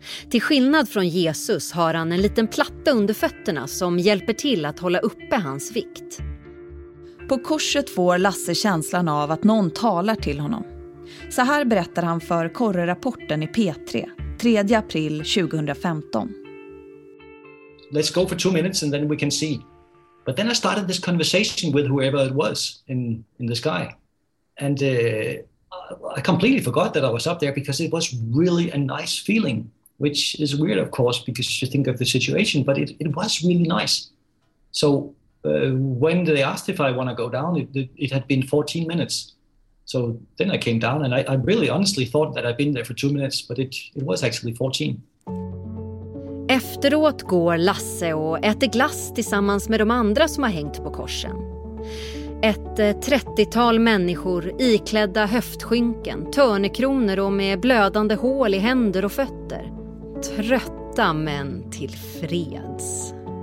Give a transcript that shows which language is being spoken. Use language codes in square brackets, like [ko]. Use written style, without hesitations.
[sv] Till skillnad från Jesus har han en liten platta under fötterna som hjälper till att hålla uppe hans vikt. På korset får Lasse känslan av att någon talar till honom. Så här berättar han för Korre-rapporten i P3, 3 april 2015. [en] Let's go for 2 minutes and then we can see. But then I started this conversation with whoever it was in the sky. And I completely forgot that I was up there because it was really a nice feeling. Which is weird, of course, because you think of the situation, but it was really nice. So when they asked if I want to go down, it had been 14 minutes. So then I came down and I really honestly thought that I'd been there for 2 minutes, but it was actually 14. [sv] Efteråt går Lasse och äter glass tillsammans med de andra som har hängt på korsen. Ett 30-tal människor iklädda höftskynken, törnekronor och med blödande hål i händer och fötter. Trötta men till freds.